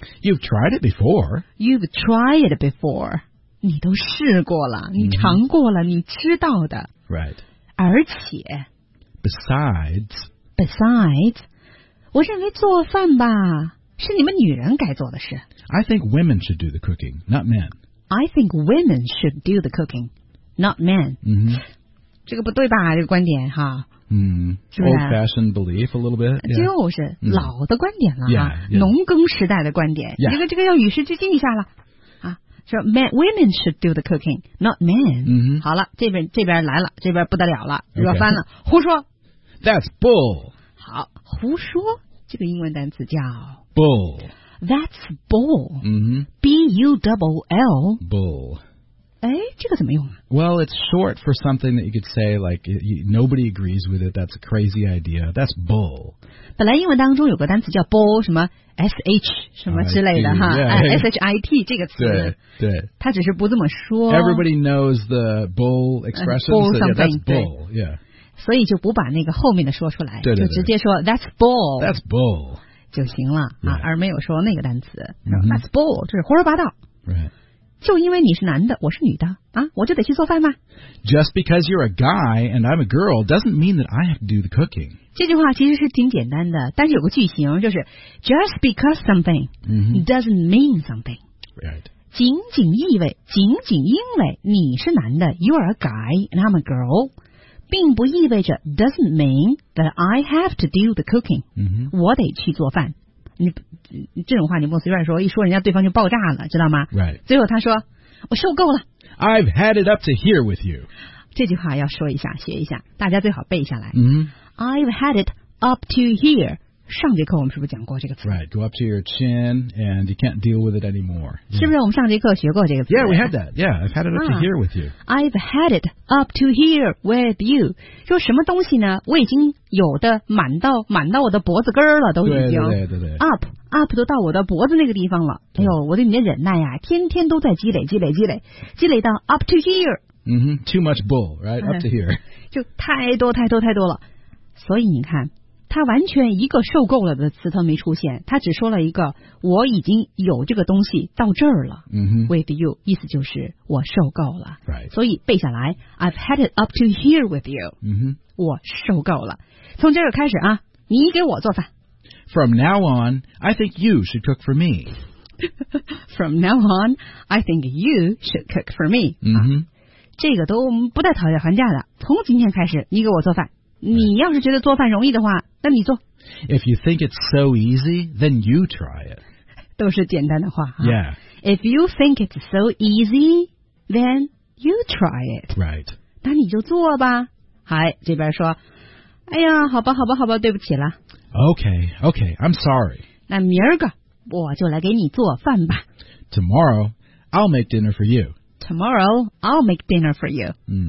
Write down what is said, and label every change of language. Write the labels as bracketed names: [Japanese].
[English] You've tried it before. You've tried it before. [Chinese] 你都试过了，你尝过了、 mm-hmm. 你知道的。 [English] Right. [Chinese] 而且 [English] Besides, [Chinese] 我认为做饭吧是你们女人该做的事。 [English] I think women should do the cooking, not men. I think women should do the cooking, not men.、 Mm-hmm. [Chinese] 这个不对吧，这个观点哈。 [English] 嗯、old-fashioned belief a little bit、yeah. [Chinese] 就是老的观点了哈、 [English] yeah, yeah. [Chinese] 农耕时代的观点、 [English] yeah. [Chinese] 这个要与时俱进一下了。 [English] So men, women should do the cooking, not men.、 Mm-hmm. [Chinese] 好了，这边来了，这边不得了了，热、 [English] okay. [Chinese] 翻了，胡说。 [English] That's bull. [Chinese] 好，胡说这个英文单词叫 [English] bull. That's bull.、 Mm-hmm. B-U-L-L. Bull. [Chinese] 哎，这个怎么用啊？ [English] Well, it's short for something that you could say like nobody agrees with it. That's a crazy idea. That's bull. [Chinese] 本来英文当中有个单词叫 bull 什么？SH 什么之类的 [English] IT, 哈、 yeah. [Chinese] SHIT 这个词对他只是不这么说 [English] Everybody knows the bull expression bull something、 so、yeah, bull, [Chinese] 对、 [English] yeah. [Chinese] 所以就不把那个后面的说出来对对对就直接说 [English] That's bull That's bull [Chinese] 就行了、 [English] yeah. [Chinese] 啊、而没有说那个单词、 mm-hmm. [English] That's bull [Chinese] 就是胡说八道、 [English] right. [Chinese] 就因为你是男的我是女的啊，我就得去做饭吗 [English] Just because you're a guy and I'm a girl doesn't mean that I have to do the cooking [Chinese] 这句话其实是挺简单的，但是有个句型，就是 [English] just because something doesn't mean something、 right. [Chinese] 仅仅因为你是男的 [English] you are a guy and I'm a girl [Chinese] 并不意味着 [English] doesn't mean that I have to do the cooking、 mm-hmm. [Chinese] 我得去做饭你这种话你不能随便说一说人家对方就爆炸了知道吗、 [English] right. [Chinese] 最后他说我受够了 [English] I've had it up to here with you [Chinese] 这句话要说一下学一下大家最好背下来、 mm-hmm. [English] I've had it up to here. [Chinese] 上节课我们是不是讲过这个词 [English] Right, go up to your chin and you can't deal with it anymore.、 Yeah. [Chinese] 是不是我们上节课学过这个词 [English] Yeah, we had that. Yeah, I've had it up、啊、 to here with you. I've had it up to here with you. [Chinese] 说什么东西呢我已经有的满到我的脖子根了都已经。对。 Up 都到我的脖子那个地方了。哎呦我对你的忍耐呀、啊、天天都在积累积累到 [English] up to here.、 Mm-hmm, too much bull, right? Up to here. [Chinese] 就太多了。所以你看他完全一个受够了的词都没出现他只说了一个我已经有这个东西到这儿了、 mm-hmm. [English] with you [Chinese] 意思就是我受够了、 [English] right. [Chinese] 所以背下来 [English] I've had it up to here with you、 mm-hmm. [Chinese] 我受够了从这儿开始啊你给我做饭 [English] From now on I think you should cook for me From now on I think you should cook for me、 mm-hmm. [Chinese] 啊、这个都不太讨价还价的从今天开始你给我做饭你要是觉得做饭容易的话那你做 [English] If you think it's so easy then you try it [Chinese] 都是简单的话、啊、 [English] Yeah If you think it's so easy then you try it Right [Chinese] 那你就做吧好这边说哎呀好吧对不起了 [English] Okay I'm sorry [Chinese] 那明儿个我就来给你做饭吧 [English] Tomorrow I'll make dinner for you Tomorrow I'll make dinner for you、嗯、